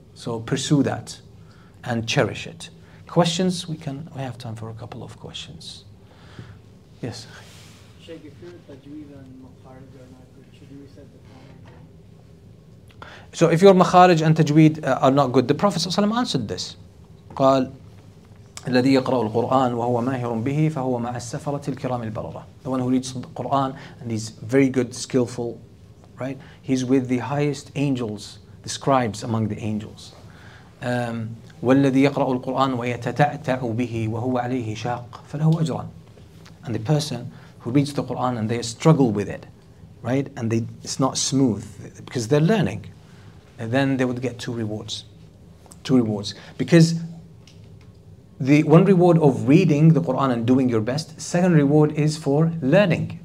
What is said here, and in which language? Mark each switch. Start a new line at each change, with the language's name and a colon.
English: So pursue that and cherish it. Questions? We have time for a couple of questions. Yes. Shaykh, if you're Tajweed and Makharij are not good, should you reset the Quran? So if your makharij and tajweed are not good, the Prophet ﷺ answered this.
Arabic: قال الذي يقرأ القرآن وهو ماهر به فهو مع السفرة الكرام البررة.
English: The one who reads the Quran and he's very good, skillful, right? He's with the highest angels, the scribes among the angels.
Arabic: والذي يقرأ القرآن ويتتعتع به وهو عليه شاق فله أجران.
English: And the person who reads the Quran and they struggle with it, right? And they, it's not smooth because they're learning. And then they would get two rewards. Because the one reward of reading the Quran and doing your best, second reward is for learning.